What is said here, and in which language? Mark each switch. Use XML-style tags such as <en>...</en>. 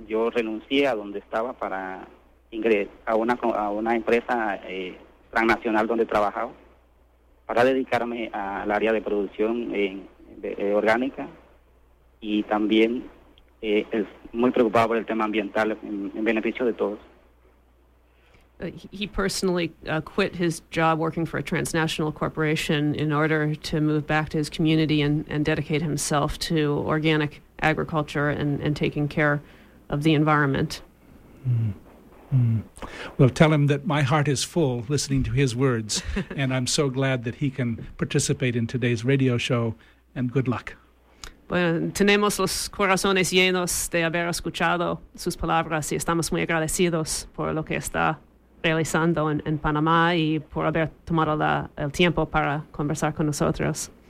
<es>Yo renuncié a donde estaba para ingresar a una empresa transnacional donde trabajaba para dedicarme al área de producción orgánica y también es muy preocupado por el tema ambiental en beneficio de todos.</es> <en>He personally quit his job working for a transnational corporation in order to move back to his community and dedicate himself to organic agriculture and taking care of the environment. Well, tell him that my heart is full listening to his words, and I'm so glad that he can participate in today's radio show, and good luck.</en> <es>Bueno, tenemos los corazones llenos de haber escuchado sus palabras y estamos muy agradecidos por lo que está realizando en Panamá y por haber tomado el tiempo para conversar con nosotros.</es>